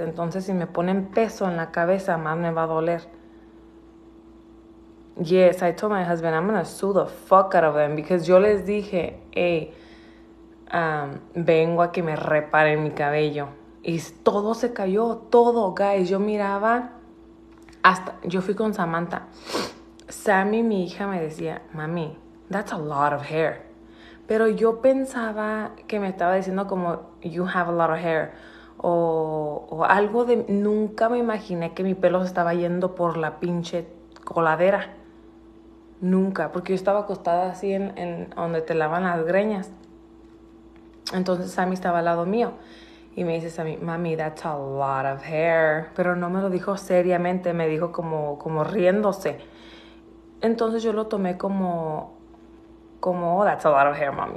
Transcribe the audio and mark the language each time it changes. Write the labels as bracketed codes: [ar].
[es] Entonces, si me ponen peso en la cabeza, más me va a doler. [en] Yes, I told my husband, I'm gonna sue the fuck out of them. Because [es] yo les dije, hey, vengo a que me reparen mi cabello. Y todo se cayó, todo, guys. Yo miraba hasta. Yo fui con Samantha. Sammy, mi hija, me decía, mami, [en] that's a lot of hair. [es] Pero yo pensaba que me estaba diciendo como, [en] you have a lot of hair. [es] O algo de. Nunca me imaginé que mi pelo se estaba yendo por la pinche coladera. Nunca. Porque yo estaba acostada así en donde te lavan las greñas. Entonces Sammy estaba al lado mío. Y me dice Sammy, mami, [en] that's a lot of hair. [es] Pero no me lo dijo seriamente. Me dijo como riéndose. Entonces yo lo tomé como. Como, [en] oh, that's a lot of hair, mom.